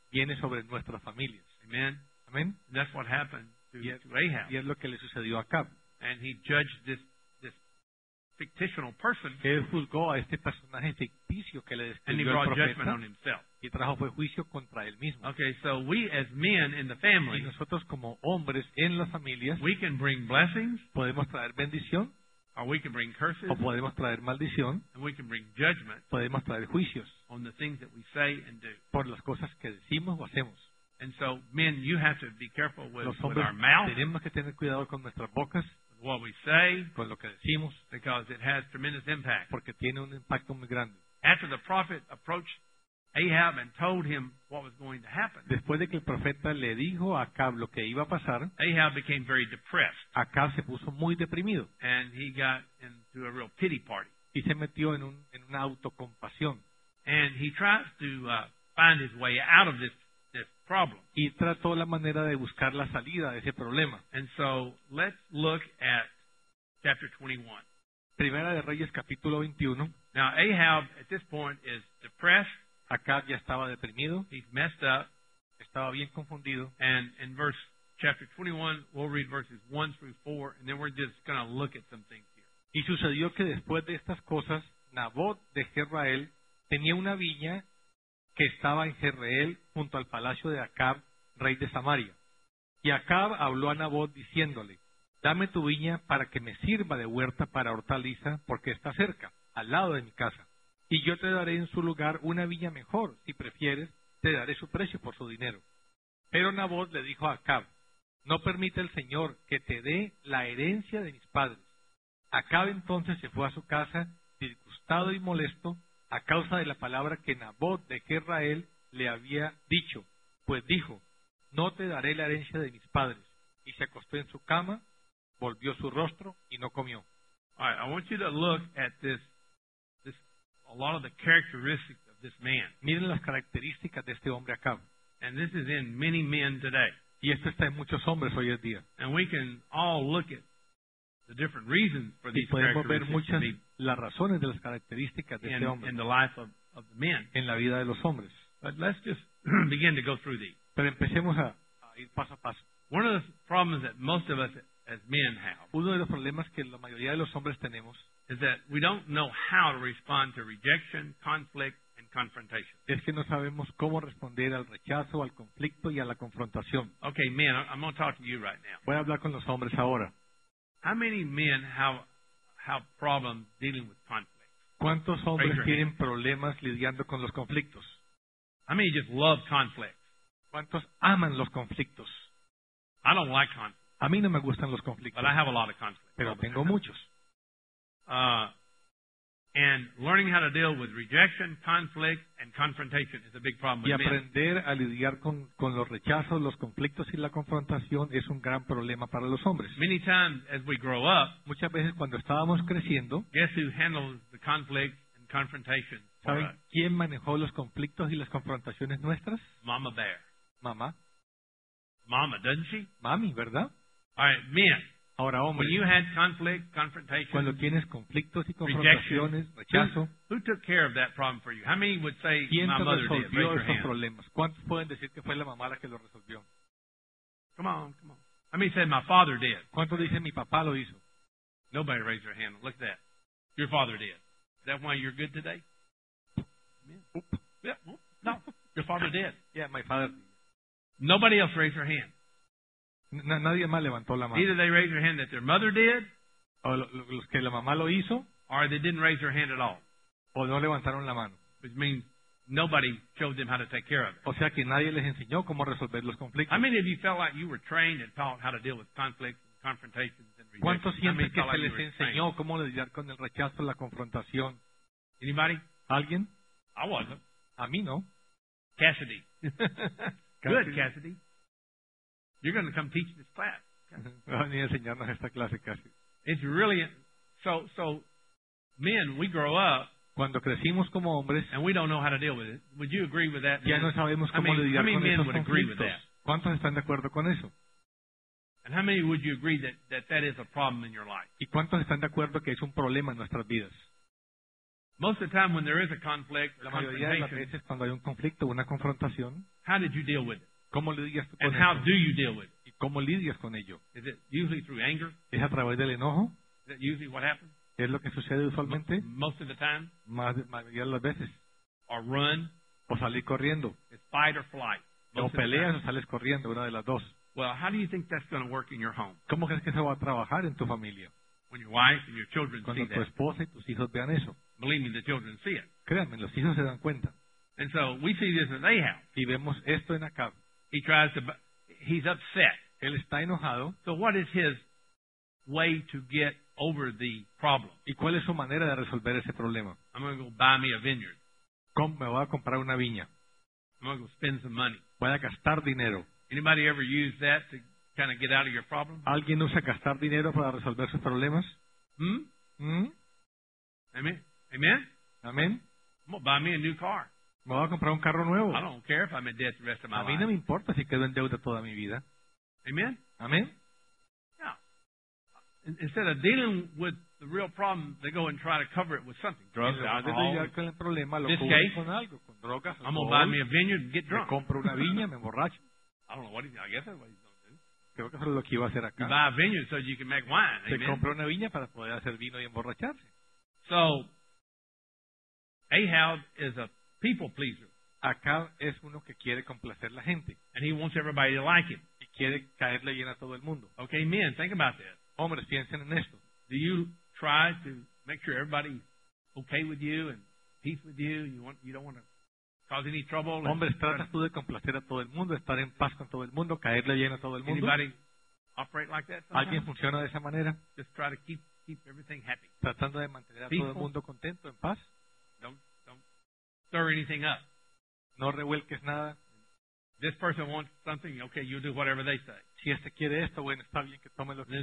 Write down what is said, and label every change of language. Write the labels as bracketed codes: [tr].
[es] Viene sobre nuestras familias. [en] Amen. Amen. And that's what happened to Ahab. [es] Y es lo que le sucedió a Acab. [en] And he judged this. Fictional person. [es] Él juzgó a este personaje ficticio que le describió el profeta. Y trajo fue juicio contra él mismo. [en] Okay, so we as men in the family, [es] y nosotros como hombres en las familias, [en] we can bring blessings, [es] podemos traer bendición, [en] or we can bring curses, [es] o podemos traer maldición, [en] and we can bring judgment, [es] podemos traer juicios, [en] on the things that we say and do, [es] por las cosas que decimos o hacemos. [en] And so, men, you have to be careful with, [es] los hombres, [en] with our mouth. [es] Tenemos que tener cuidado con nuestras bocas. [en] What we say, [es] con lo que decimos, [en] because it has tremendous impact. [es] Porque tiene un impacto muy grande. [en] After the prophet approached Ahab and told him what was going to happen, [es] después de que el profeta le dijo a Acab lo que iba a pasar, [en] Ahab became very depressed. [es] Acab se puso muy deprimido. [en] And he got into a real pity party. [es] Y se metió en una autocompasión. [en] And he tries to find his way out of this problem. [es] Y trató la manera de buscar la salida de ese problema. [en] And so, let's look at chapter 21. [es] Primera de Reyes, capítulo 21. [en] Now, Ahab, at this point, is depressed. [es] Acab ya estaba deprimido. [en] He's messed up. [es] Estaba bien confundido. [en] And in verse chapter 21, we'll read verses 1 through 4, and then we're just going to look at some things here. [es] Y sucedió que después de estas cosas, Nabot de Jezreel tenía una viña que estaba en Jezreel junto al palacio de Acab, rey de Samaria. Y Acab habló a Nabot diciéndole, dame tu viña para que me sirva de huerta para hortaliza, porque está cerca, al lado de mi casa. Y yo te daré en su lugar una viña mejor, si prefieres, te daré su precio por su dinero. Pero Nabot le dijo a Acab, no permite el Señor que te dé la herencia de mis padres. Acab entonces se fue a su casa, disgustado y molesto, a causa de la palabra que Nabot de Jezreel le había dicho, pues dijo, no te daré la herencia de mis padres. Y se acostó en su cama, volvió su rostro y no comió. [en] All right, I want you to look at this, a lot of the characteristics of this man. [es] Miren las características de este hombre acá. [en] And this is in many men today. [es] Y esto está en muchos hombres hoy en día. [en] And we can all look at the different reasons for these characteristics. [es] Y podemos ver muchas las razones de las características de este hombre. [en] In the life of the men. [es] En la vida de los hombres. [en] But let's just begin to go through these. [es] Pero empecemos a ir paso a paso. [en] One of the problems that most of us as men have. [es] Uno de los problemas que la mayoría de los hombres tenemos. [en] Is that we don't know how to respond to rejection, conflict, and confrontation. [es] Es que no sabemos cómo responder al rechazo, al conflicto y a la confrontación. [en] Okay, men, I'm going to talk to you right now. [es] Voy a hablar con los hombres ahora. [en] How many men have problems dealing with conflict? [es] ¿Cuántos hombres tienen problemas lidiando con los conflictos? [en] How many just love conflict? [es] ¿Cuántos aman los conflictos? [en] I don't like conflict. [es] A mí no me gustan los conflictos. [en] But I have a lot of conflict. [es] Pero tengo muchos. [en] And learning how to deal with rejection, conflict, and confrontation is a big problem. [es] Y aprender a lidiar con los rechazos, los conflictos y la confrontación es un gran problema para los hombres. [en] Many times, as we grow up, [es] muchas veces cuando estábamos creciendo, [en] guess who handles the conflict and confrontation? [es] ¿Saben quién manejó los conflictos y las confrontaciones nuestras? [en] Mama Bear. [es] Mamá. [en] Mama, doesn't she? [es] Mami, ¿verdad? [en] All right, men. [es] Ahora, hombre, [en] when you had conflict, confrontation, [es] cuando tienes conflictos y confrontaciones, rechazo, [en] who took care of that problem for you? How many would say my mother did? [es] ¿Quién resolvió esos problemas? ¿Cuántos pueden decir que fue la mamá la que lo resolvió? [en] Come on. How many said my father did? [es] ¿Cuántos dicen mi papá lo hizo? [en] Nobody raised their hand. Look at that. Your father did. Is that why you're good today? No. Your father did. Yeah, my father did. Nobody else raised their hand. [es] Nadie más levantó la mano. [en] Either they raised their hand that their mother did, [es] o los que la mamá lo hizo, [en] or they didn't raise their hand at all. [es] O no levantaron la mano. [en] Which means nobody showed them how to take care of it. [es] O sea que nadie les enseñó cómo resolver los conflictos. [en] How many of you felt like you were trained and taught how to deal with conflicts and confrontations and rejection? [es] ¿Cuántos sienten que se les enseñó cómo lidiar con el rechazo, la confrontación? [en] Anybody? [es] ¿Alguien? [en] I wasn't. [es] A mí no. [en] Cassidy. Good, Cassidy. You're going to come teach this class. [es] Van a enseñarnos esta clase casi. [en] It's really so. Men, we grow up. [es] Cuando crecimos como hombres. [en] And we don't know how to deal with it. Would you agree with that? [es] Ya no sabemos cómo lidiar con esos conflictos. [en] How many men would agree with that? [es] ¿Cuántos están de acuerdo con eso? [en] And how many would you agree that is a problem in your life? [es] ¿Y cuántos están de acuerdo que es un problema en nuestras vidas? [en] Most of the time, when there is a conflict, [es] la mayoría de las veces cuando hay un conflicto, una confrontación. [en] How did you deal with it? [es] ¿Cómo lidias con [en] and [es] eso? [en] How do you deal with it? [es] ¿Y cómo lidias con ello? [en] Is it usually through anger? [es] ¿Es a través del enojo? [en] Is that usually what happens? [es] ¿Es lo que sucede usualmente? [en] Most of the time. [es] Mayoría de las veces. [en] Or run. [es] O salir corriendo. [en] It's fight or flight. [es] O peleas o sales corriendo, una de las dos. [en] Well, how do you think that's going to work in your home? [es] ¿Cómo crees que se va a trabajar en tu familia? [en] When your wife and your children [es] cuando [en] see that. [es] Cuando tu esposa y tus hijos vean eso. [en] Believe me, the children see it. [es] Créanme, los hijos se dan cuenta. [en] And so we see this in Ahab. [es] Y vemos esto en Acab. [en] He tries to. He's upset. [es] Él está enojado. [en] So what is his way to get over the problem? [es] ¿Y cuál es su manera de resolver ese problema? [en] I'm going to go buy me a vineyard. [es] ¿Cómo me voy a comprar una viña? [en] I'm going to go spend some money. [es] Voy a gastar dinero. [en] Anybody ever use that to kind of get out of your problem? [es] ¿Alguien usa gastar dinero para resolver sus problemas? [en] Amen. [es] Amen. [en] I'm going to buy me a new car. [es] Me voy a comprar un carro nuevo. [en] I don't care if I'm in debt the rest of my life. [es] A mí no me importa si quedo en deuda toda mi vida. [en] Amen. [es] Amen. [en] Yeah. Instead of dealing with the real problem, they go and try to cover it with something. Drugs, alcohol. In this case, [es] con algo, con drogas, [en] I'm going to buy me a vineyard and get drunk. [es] Me compro una viña, me emborracho. [en] I don't know what he's going to do. I guess that's what he's going to do. [es] Creo que eso es lo que iba a hacer acá. [en] You buy a vineyard so you can make wine. Amen. [es] Se compra una viña para poder hacer vino y emborracharse. [en] So, Ahab is a people pleaser. [es] Acab es uno que quiere complacer la gente. [en] And he wants everybody to like him. [es] Y quiere caerle bien a todo el mundo. [en] Okay, men, think about this. [es] Hombres, piensen en esto. [en] Do you try to make sure everybody's okay with you and peace with you? You don't want to cause any trouble? [es] Hombres, tratas tú de complacer a todo el mundo, estar en paz con todo el mundo, caerle bien a todo el mundo. [en] Anybody operate like that sometimes? [es] ¿Alguien funciona de esa manera? [en] Just try to keep everything happy. [es] Tratando de mantener a todo el mundo contento, en paz. [en] Stir anything up. [es] No revuelques nada. [en] This person wants something, okay, you do whatever they say. [es] Si este quiere esto, bueno, está bien que tome lo que